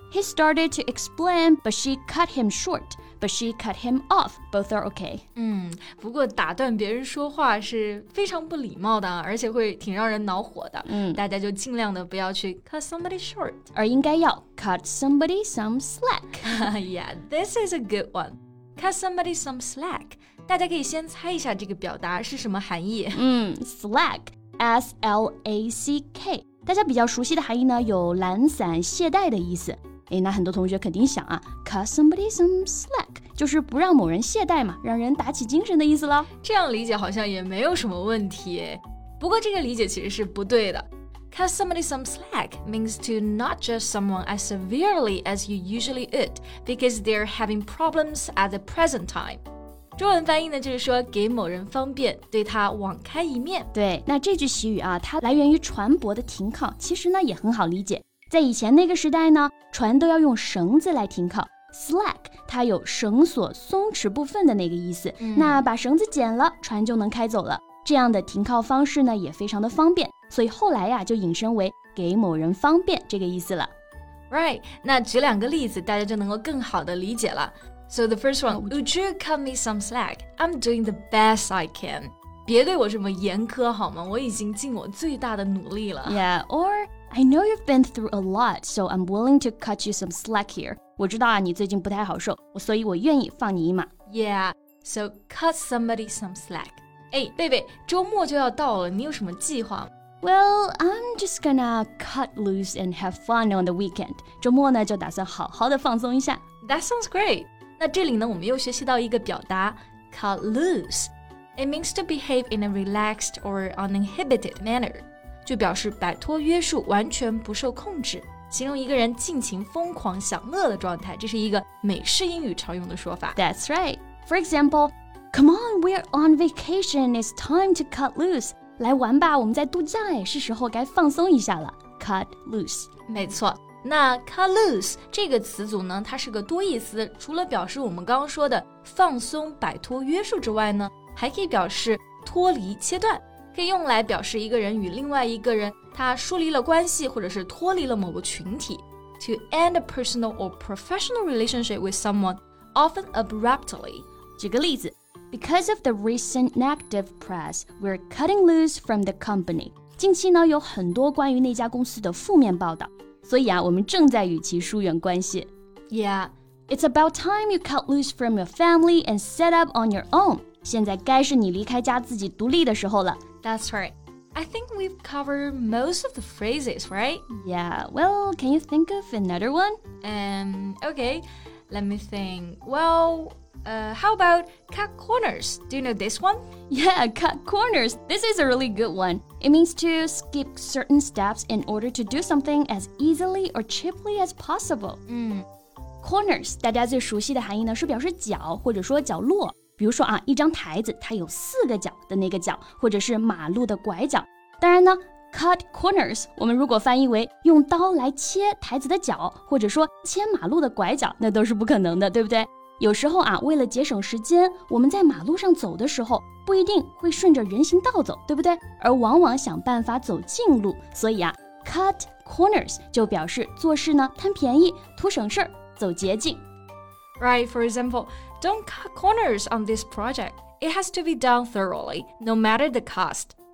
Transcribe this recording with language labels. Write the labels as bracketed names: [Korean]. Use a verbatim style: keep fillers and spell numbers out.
[English] He started to explain, but she cut him short. But she cut him off. Both are okay. [Chinese] 嗯，不过打断别人说话是非常不礼貌的，而且会挺让人恼火的。嗯，大家就尽量的不要去 [English] cut somebody short， [Chinese] 而应该要 [English] cut somebody some slack. Yeah, this is a good one. Cut somebody some slack. [Chinese] 大家可以先猜一下这个表达是什么含义。 [English] 嗯 ，slack, S L A C K. [Chinese] 大家比较熟悉的含义呢，有懒散、懈怠的意思。诶，那很多同学肯定想啊 cut somebody some slack 就是不让某人懈怠嘛，让人打起精神的意思了。这样理解好像也没有什么问题，不过这个理解其实是不对的。 [English] Cut somebody some slack means to not judge someone as severely as you usually would because they're having problems at the present time. [Chinese] 中文翻译呢就是说给某人方便，对他网开一面。对，那这句习语啊，它来源于船舶的停靠，其实呢也很好理解。在以前那个时代呢，船都要用绳子来停靠 slack 它有绳索松弛部分的那个意思、嗯、那把绳子剪了，船就能开走了。这样的停靠方式呢也非常的方便，所以后来呀、啊、就引申为给某人方便这个意思了。 Right， 那举两个例子大家就能够更好的理解了。 [English] So the first one， Would you cut me some slack? I'm doing the best I can. [Chinese] 别对我这么严苛好吗？我已经尽我最大的努力了。 [English] Yeah, or I know you've been through a lot, so I'm willing to cut you some slack here. [Chinese] 我知道啊，你最近不太好受，所以我愿意放你一马。 [English] Yeah, so cut somebody some slack. [Chinese] 哎，贝贝，周末就要到了，你有什么计划吗？ [English] Well, I'm just gonna cut loose and have fun on the weekend. [Chinese] 周末呢，就打算好好的放松一下。 [English] That sounds great. [Chinese] 那这里呢，我们又学习到一个表达 cut loose. [English] It means to behave in a relaxed or uninhibited manner. [Chinese] 就表示摆脱约束，完全不受控制，形容一个人尽情疯狂享乐的状态。这是一个美式英语常用的说法。 [English] That's right. For example, come on, we're on vacation. It's time to cut loose. [Chinese] 来玩吧，我们在度假，也是时候该放松一下了。 [English] Cut loose， [Chinese] 没错。那 cut loose 这个词组呢，它是个多义词，除了表示我们刚刚说的放松、摆脱约束之外呢，还可以表示脱离、切断，可以用来表示一个人与另外一个人他疏离了关系，或者是脱离了某个群体。 [English] To end a personal or professional relationship with someone, often abruptly. [Chinese] 举个例子。 [English] Because of the recent negative press, we're cutting loose from the company. [Chinese] 近期呢，有很多关于那家公司的负面报道，所以啊，我们正在与其疏远关系。 [English] Yeah, it's about time you cut loose from your family and set up on your own. 现在该是你离开家自己独立的时候了。 That's right. I think we've covered most of the phrases, right? Yeah, well, can you think of another one? Um, okay, let me think. Well... Uh, how about cut corners? Do you know this one? Yeah, cut corners. This is a really good one. It means to skip certain steps in order to do something as easily or cheaply as possible. 嗯 [Chinese] Corners, 大家最熟悉的含义呢是表示角或者说角落。比如说啊，一张台子它有四个角的那个角，或者是马路的拐角。当然呢，Cut corners 我们如果翻译为用刀来切台子的角，或者说切马路的拐角，那都是不可能的，对不对？有时候啊，为了节省时间，我们在马路上走的时候，不一定会顺着人行道走，对不对？而往往想办法走近路，所以啊 ，cut corners 就表示做事呢贪便宜、图省事儿、走捷径。 [English] Right, for example, don't cut corners on this project. It has to be done thoroughly, no matter the cost.